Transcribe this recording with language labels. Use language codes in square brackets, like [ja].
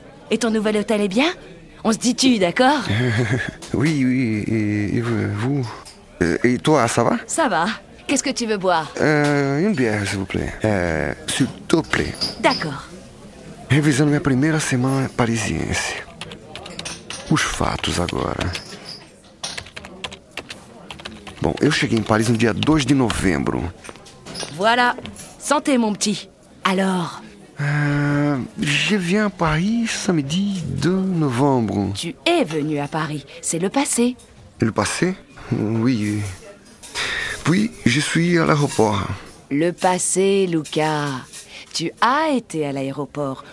[fr] Et ton nouvel hôtel est bien? On se dit-tu, d'accord? Oui, oui, et vous? Et toi, ça va? Ça va. Qu'est-ce que tu veux boire? Une bière, s'il vous plaît. S'il te plaît. D'accord. [pt] Revisando minha primeira semana parisiense. Os fatos agora. Bom, eu cheguei em Paris no dia 2 de novembro. [fr] Voilà. Santé, mon petit. Alors? Je viens à Paris samedi 2 novembre. Tu es venu à Paris. C'est le passé. Le passé? Oui. Puis, je suis à l'aéroport. Le passé, Luca. Tu as été à l'aéroport.